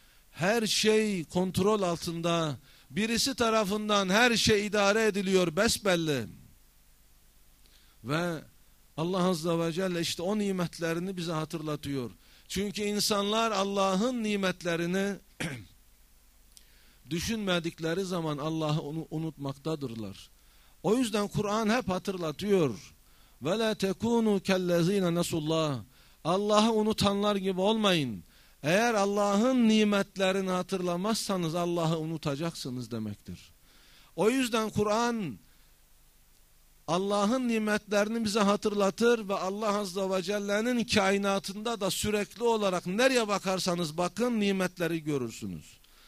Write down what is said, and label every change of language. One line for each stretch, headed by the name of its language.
Turkish: Her şey kontrol altında. Birisi tarafından her şey idare ediliyor besbelli. Ve Allah Azze ve Celle işte o nimetlerini bize hatırlatıyor. Çünkü insanlar Allah'ın nimetlerini düşünmedikleri zaman Allah'ı unutmaktadırlar. O yüzden Kur'an hep hatırlatıyor.
Arabic: وَلَا تَكُونُوا كَلَّذ۪ينَ نَسُوا اللّٰهِ
Turkish: Allah'ı unutanlar gibi olmayın. Eğer Allah'ın nimetlerini hatırlamazsanız Allah'ı unutacaksınız demektir. O yüzden Kur'an Allah'ın nimetlerini bize hatırlatır ve Allah Azze ve Celle'nin kainatında da sürekli olarak nereye bakarsanız bakın nimetleri görürsünüz.